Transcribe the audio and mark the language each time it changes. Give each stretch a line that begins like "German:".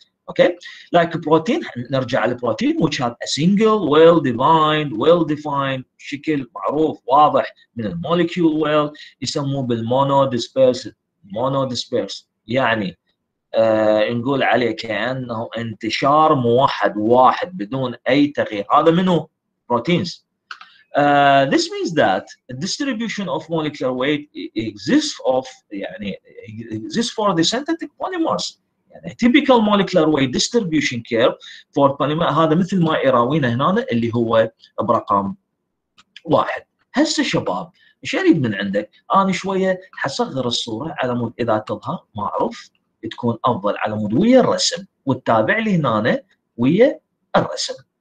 Arabic: اوكي لايك بروتين، نرجع على البروتين
English: which have a single well defined
Arabic: well defined شكل معروف واضح من المولكيول well يسموه بالمونو ديسبيرس. مونو ديسبيرس يعني نقول عليه كانه انتشار موحد واحد بدون اي تغيير، هذا منه بروتينز.
English: This means that the distribution of molecular weight exists of يعني exists for the synthetic polymers.
Arabic: يعني
English: typical molecular weight distribution curve for polymer
Arabic: هذا مثل ما يراوينا هنا اللي هو برقم واحد. هسه شباب ايش اريد من عندك؟ انا شويه حصغر الصوره على مود اذا تظهر ما اعرف تكون افضل على مود ويا الرسم والتابع لي هنا ويا الرسم.